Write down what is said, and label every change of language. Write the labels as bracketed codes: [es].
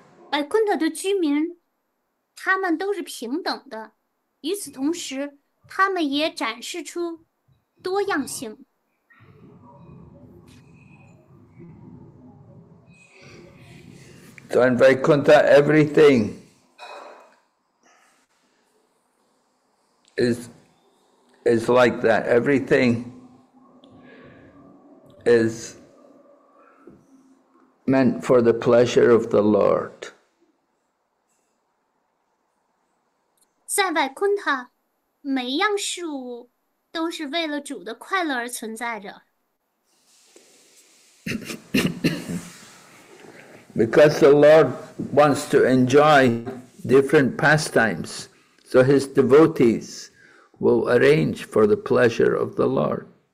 [zh] Vaikuntha 的居民，他们都是平等的，与此同时，他们也展示出多样性。 [en] So in Vaikuntha, everything is like that. Everything is meant for the pleasure of the Lord. [zh] 在 Vaikuntha, 每样事物都是为了主的快乐而存在着。 [en] Because the Lord wants to enjoy different pastimes, so his devotees will arrange for the pleasure of the Lord.